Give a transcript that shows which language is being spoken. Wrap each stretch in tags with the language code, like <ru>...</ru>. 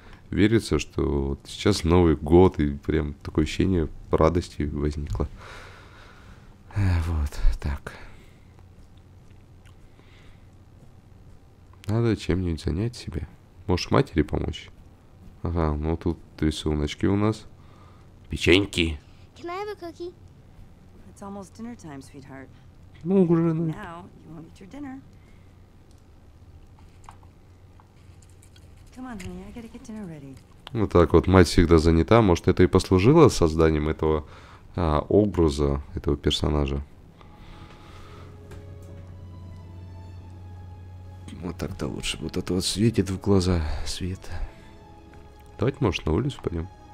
<ru>Верится, что вот сейчас Новый год, и прям такое ощущение радости возникло. Вот, так. Надо чем-нибудь занять себе. Можешь матери помочь? Ага, ну тут рисуночки у нас. Печеньки.</ru> <en>Can I have a cookie? It's almost dinner time, sweetheart.</en> <ru>Ну, уже, ну.</ru> <en>Now you won't eat your dinner. Come on, honey, I gotta get dinner ready.</en> <ru>Вот так вот, мать всегда занята. Может, это и послужило созданием этого образа, этого персонажа. Вот так-то лучше. Вот это вот светит в глаза свет. Давайте, может, на улицу пойдем.</ru>